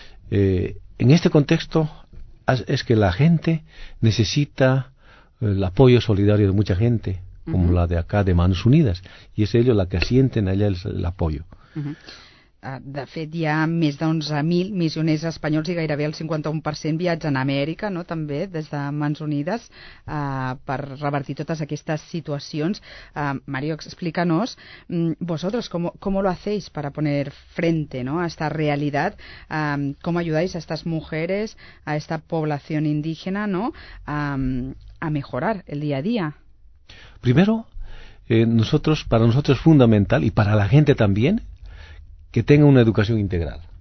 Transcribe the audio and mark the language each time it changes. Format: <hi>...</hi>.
<es>En este contexto es que la gente necesita el apoyo solidario de mucha gente, como uh-huh. la de acá, de Manos Unidas, y es ellos la que sienten allá el apoyo. Uh-huh.</es> <ca>De fet, hi ha més d'11.000 missioners espanyols i gairebé el 51% viatgen a Amèrica, no?, també des de Mans Unides, per revertir totes aquestes situacions.</ca> <es>Mario,</es> <ca>explica-nos,</ca> <es>vosotros, ¿cómo lo hacéis para poner frente, ¿no?, a esta realidad? ¿Cómo ayudáis a estas mujeres, a esta población indígena, ¿no?, a mejorar el día a día? Primero, para nosotros es fundamental, y para la gente también, que tenga una educación integral.</es>